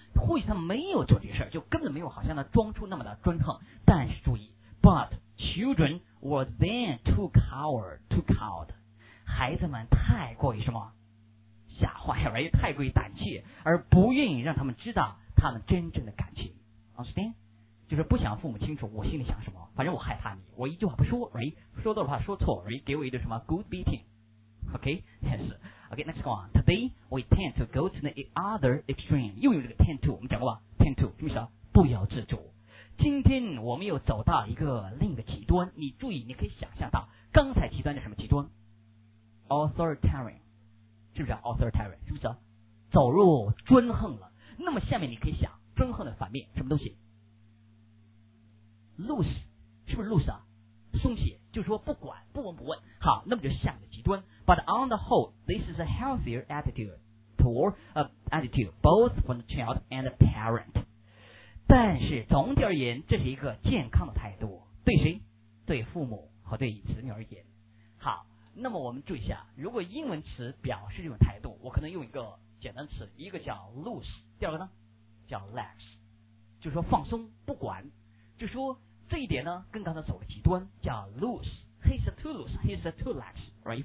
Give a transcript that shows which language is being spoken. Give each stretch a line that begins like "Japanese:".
Chinese: 或许他没有做这事，就根本没有好像呢装出那么的专横。但是注意
English: ，But children were then too cowed to cowed。
Chinese: 孩子们太过于什么吓坏了，也太过于胆怯，而不愿意让他们知道他们真正的感情。 Understand？ 就是不想父母清楚我心里想什么，反正我害怕你，我一句话不说，说多的话说错，给我一个什么
English: good beating。 OK， yes。 OK， next one。 Today we tend to go to the other extreme，
Chinese: 又有这个 tend to， 我们讲过吧 ？tend to， 什么意思？不由自主。今天我们又走到一个另一个极端，你注意，你可以想象到刚才极端的什么极端？ Authoritarian， 是不是 authoritarian？ 是不是走入专横了？那么下面你可以想，专横的反面什么东西 ？loose， 是不是 loose 啊？松懈，就是说不管，不闻不问。好，那么就下面的极端。
English: But on the whole， this is a healthier attitude toward attitude both for the child and the parent。
Chinese: 但是总体而言，这是一个健康的态度，对谁？对父母和对子女而言。好。那么我们注意一下，如果英文词表示这种态度，我可能用一个简单词，一个叫 loose， 第二个呢叫 lax， 就说放松不管，就说这一点呢跟刚才走了极端，叫 loose，
English: he's too loose， he's too lax， right？